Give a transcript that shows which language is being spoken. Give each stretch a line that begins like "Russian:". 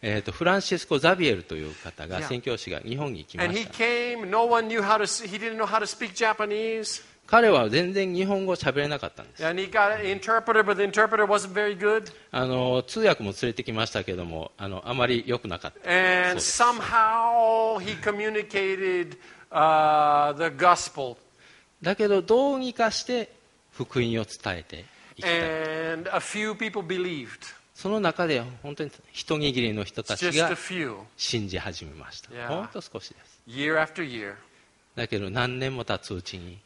Japanese: フランシスコ・ザビエルという方が、宣教師が日本に行きました。
English: And he came, no one knew how to speak Japanese.
Japanese: 彼は全然日本語を喋れなかったんです。
English: And he got an interpreter, but the interpreter wasn't very good.
Japanese: 通訳も連れてきましたけども、あまり良くなかった。
English: And somehow he communicated, the gospel.
Japanese: だけどどうにかして福音を伝えていきたい。
English: And a few people believed.
Japanese: その中で本当に一握りの人たちが信じ始めました。 Yeah. 本当少しです。
English: Year after year.
Japanese: だけど何年も経つうちに